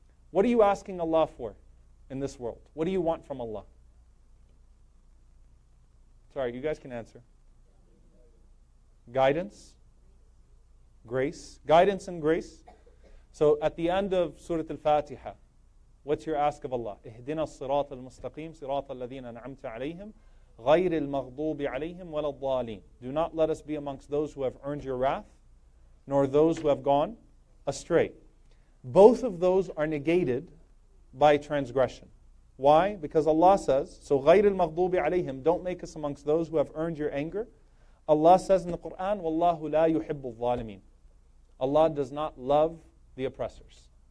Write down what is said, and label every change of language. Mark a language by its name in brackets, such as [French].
[English] What are you asking Allah for in this world? What do you want from Allah? Sorry, you guys can answer. Guidance, grace, guidance and grace. So at the end of Surah Al-Fatiha, what's your ask of Allah? [Arabic] اهدنا الصراط المستقيم صراط الذين أنعمت عليهم غير المغضوب عليهم ولا الضالين. [English] Do not let us be amongst those who have earned your wrath, nor those who have gone astray. Both of those are negated by transgression. Why? Because Allah says, so [Arabic] غير المغضوب عليهم, [English] don't make us amongst those who have earned your anger. Allah says in the Quran, [Arabic] والله لا يحب الظالمين. [English] Allah does not love the oppressors.